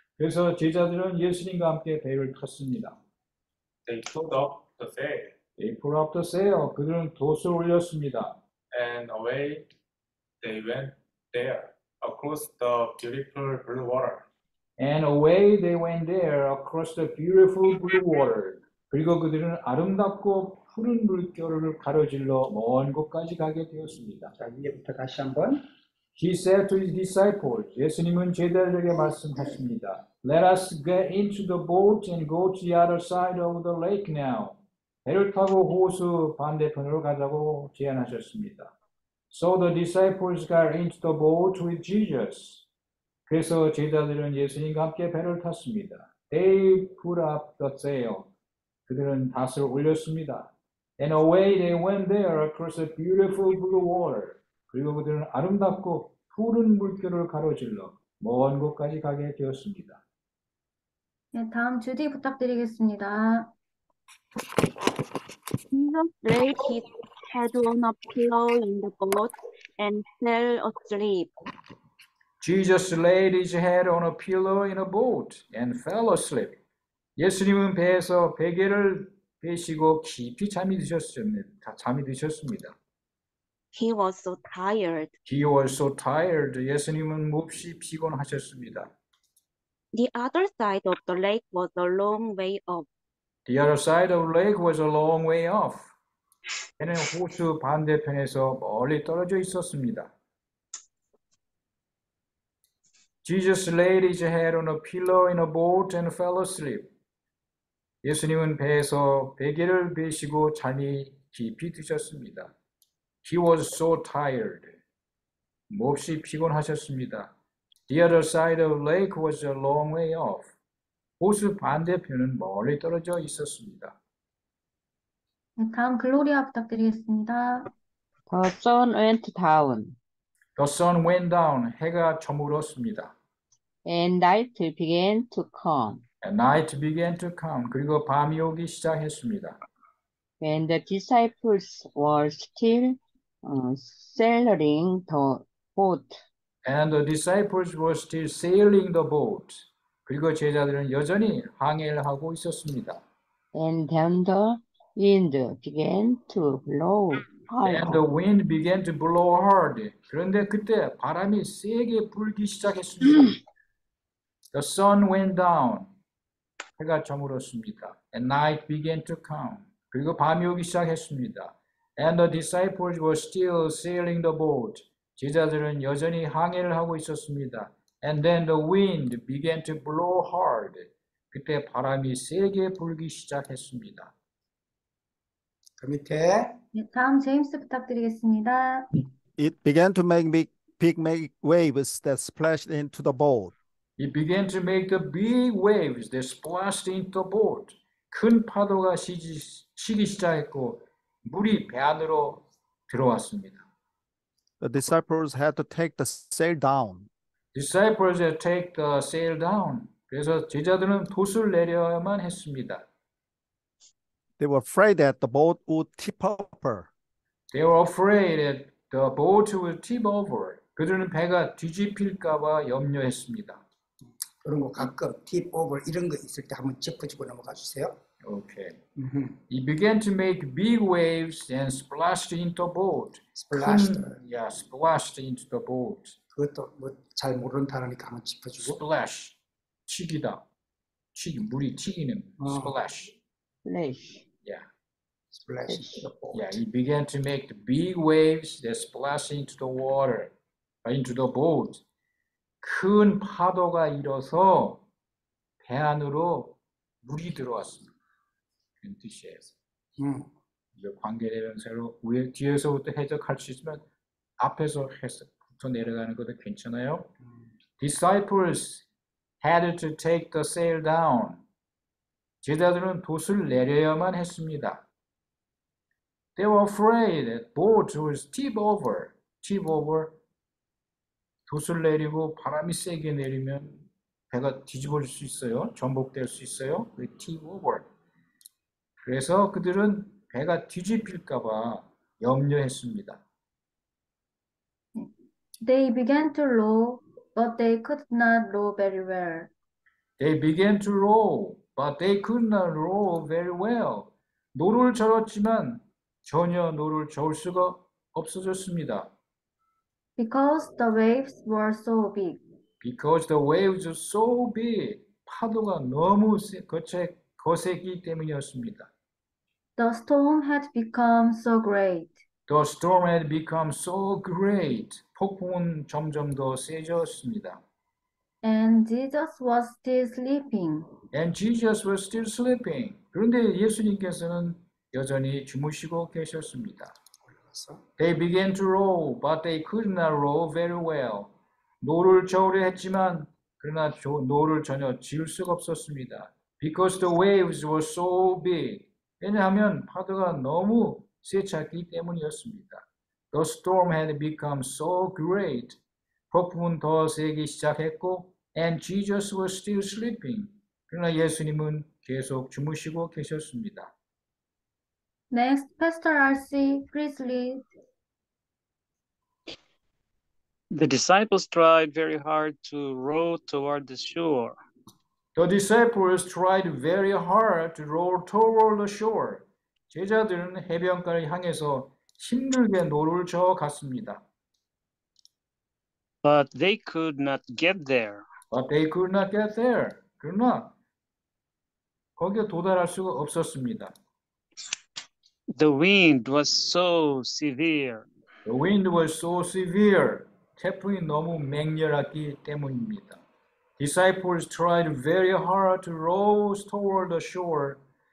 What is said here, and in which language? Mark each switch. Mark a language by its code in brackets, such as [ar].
[ko] 그래서 제자들은 예수님과 함께 배를 탔습니다. [en] They pulled up the sail. They pulled up the sail. [ko] 그들은 돛을 올렸습니다. [en] And away they went there. Across the beautiful blue water. And away they went there across the beautiful blue water. [ko] 그리고 그들은 아름답고 푸른 물결을 가로질러 먼 곳까지 가게 되었습니다. 자, 이제부터 다시 한번. [en] He said to his disciples, [ko] 예수님은 제자들에게 말씀하십니다. [en] Let us get into the boat and go to the other side of the lake now. [ko] 배를 타고 호수 반대편으로 가자고 제안하셨습니다. [en] So the disciples got into the boat with Jesus. [ko] 그래서 제자들은 예수님과 함께 배를 탔습니다. [en] They put up the sail. [ko] 그들은 닷을 올렸습니다. [en] And away they went there across a beautiful blue water. [ko] 그리고 그들은 아름답고 푸른 물결을 가로질러 먼 곳까지 가게 되었습니다. 네, 다음 주디 부탁드리겠습니다. [en] Had on a pillow in the boat and fell asleep. Jesus laid his head on a pillow in a boat and fell asleep. [ko] 예수님은 배에서 베개를 베시고 깊이 잠이 드셨습니다. 잠이 드셨습니다. [en] He was so tired. He was so tired. [ko] 예수님은 몹시 피곤하셨습니다. [en] The other side of the lake was a long way off. The other side of the lake was a long way off. [ko] 배는 호수 반대편에서 멀리 떨어져 있었습니다. [en] Jesus laid his head on a pillow in a boat and fell asleep. [ko] 예수님은 배에서 베개를 베시고 잠이 깊이 드셨습니다. [en] He was so tired. [ko] 몹시 피곤하셨습니다. [en] The other side of the lake was a long way off. [ko] 호수 반대편은 멀리 떨어져 있었습니다. 다음 글로리아 부탁드리겠습니다. [en] The sun went down. The sun went down. [ko] 해가 저물었습니다. [en] And night began to come. And night began to come. [ko] 그리고 밤이 오기 시작했습니다. [en] And the disciples were still sailing the boat. And the disciples were still sailing the boat. [ko] 그리고 제자들은 여전히 항해를 하고 있었습니다. [en] And then the wind began to blow hard. And the wind began to blow hard. [ko] 그런데 그때 바람이 세게 불기 시작했습니다. [en] The sun went down. [ko] 해가 저물었습니다. [en] And night began to come. [ko] 그리고 밤이 오기 시작했습니다. [en] And the disciples were still sailing the boat. [ko] 제자들은 여전히 항해를 하고 있었습니다. [en] And then the wind began to blow hard. [ko] 그때 바람이 세게 불기 시작했습니다. 그 밑에 다음 제임스 부탁드리겠습니다. [en] It began to make big waves that splashed into the boat. It began to make the big waves that splashed into the boat. [ko] 큰 파도가 치기 시작했고 물이 배 안으로 들어왔습니다. [en] The disciples had to take the sail down. Disciples had to take the sail down. [ko] 그래서 제자들은 돛을 내려야만 했습니다. [en] They were afraid that the boat would tip over. They were afraid that the boat would tip over. [ko] 그들은 배가 뒤집힐까봐 염려했습니다. 그런 거 가끔 [en] tip over [ko] 이런 거 있을 때 한번 짚어주고 넘어가 주세요. [en] Okay. He began to make big waves and splashed into the boat. Splashed. Yeah, splashed into the boat. [ko] 그것도 뭐 잘 모르는 단어니까 한번 짚어주고. Splash. 튀기다. 튀기 물이 튀기는. Splash. [en] Splash. Yeah. Splash. Yeah. He began to make the big waves that splashed into the water, into the boat. [ko] 큰 파도가 일어서 배 안으로 물이 들어왔습니다. 뜻이에요. 이게 관계되는 새로 위에 뒤에서부터 해석할 수 있으면 앞에서 해서부터 내려가는 것도 괜찮아요. [en] Disciples had to take the sail down. [ko] 제자들은 돛을 내려야만 했습니다. [en] They were afraid that boat would tip over. Tip over. [ko] 돛을 내리고 바람이 세게 내리면 배가 뒤집어질 수 있어요. 전복될 수 있어요. [en] Tip over. [ko] 그래서 그들은 배가 뒤집힐까봐 염려했습니다. [en] They began to row, but they could not row very well. They began to row, but they could not row very well. [ko] 노를 저었지만 전혀 노를 저을 수가 없어졌습니다. [en] Because the waves were so big. Because the waves were so big. [ko] 파도가 너무 거세기 때문이었습니다. [en] The storm had become so great. The storm had become so great. [ko] 폭풍은 점점 더 세졌습니다. [en] And Jesus was still sleeping. And Jesus was still sleeping. [ko] 그런데 예수님께서는 여전히 주무시고 계셨습니다. [en] They began to row, but they could not row very well. [ko] 노를 저으려 했지만, 그러나 노를 전혀 지을 수가 없었습니다. [en] Because the waves were so big. [ko] 왜냐하면 파도가 너무 세차기 때문이었습니다. [en] The storm had become so great. [ko] 폭풍은 더 세기 시작했고, [en] and Jesus was still sleeping. [ko] 그러나 예수님은 계속 주무시고 계셨습니다. [en] Next, Pastor RC, please lead. The disciples tried very hard to row toward the shore. The disciples tried very hard to row toward the shore. [ko] 제자들은 해변가를 향해서 힘들게 노를 저어 갔습니다. [en] But they could not get there. But they could not get there. [ko] 그러나 거기에 도달할 수가 없었습니다. [en] The wind was so severe. The wind was so severe. [ko] 태풍이 너무 맹렬하기 때문입니다. [en] Disciples tried very hard to row toward the shore.